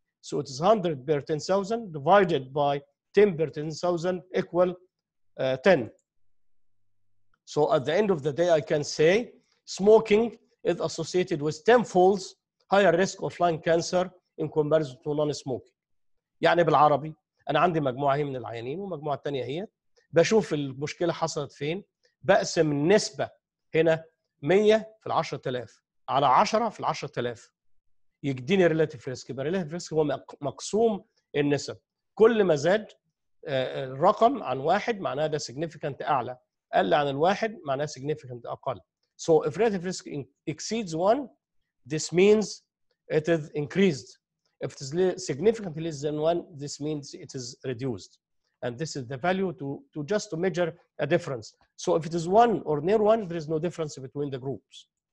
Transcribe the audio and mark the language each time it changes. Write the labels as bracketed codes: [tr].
[en] So it is 100 per 10,000 divided by 10 per 10,000 equal 10. So at the end of the day, I can say smoking is associated with 10 folds higher risk of lung cancer in comparison to non-smoking. [ar] يعني بالعربي انا عندي مجموعة هي من العيانين ومجموعة تانية هي. بشوف المشكلة حصلت فين. بقسم النسبة هنا 100 في العشرة تلاف على 10 في العشرة تلاف يديني relative risk. يبقى relative risk هو مقسوم النسب، كل ما زاد الرقم عن واحد معناه ده significant أعلى، قل عن الواحد معناه significant أقل. [en] So if relative risk exceeds one, this means it is increased. If it is significantly less than one, this means it is reduced. And this is the value to just to measure a difference. So if it is one or near one, there is no difference between the groups.